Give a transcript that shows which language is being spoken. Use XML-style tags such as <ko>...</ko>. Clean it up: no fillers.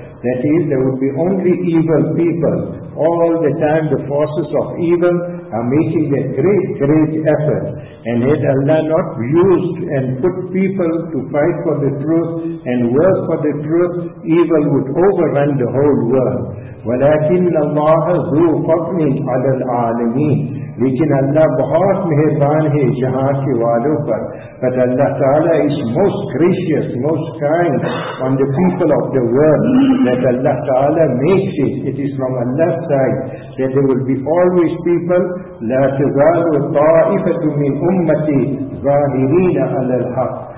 <en>That is, there would be only evil people. All the time the forces of evil are making a great, great effort. And had Allah not used and put people to fight for the truth and work for the truth, evil would overrun the whole world.</en> <ar>وَلَكِنَّ اللَّهَ ذُو فَضْلٍ عَلَى الْعَالَمِينَ.</ar> <ur>لیکن اللہ بہت مہربان ہے جہاں کے والوں پر.</ur> <en>But Allah Ta'ala is most gracious, most kind on the people of the world. That Allah Ta'ala makes it. It is from Allah's side that there will be always people.</en> <ar>لَا تَزَالُ طَائِفَةٌ مِنْ أُمَّتِي ظَاهِرِينَ عَلَى الْحَقِّ.</ar>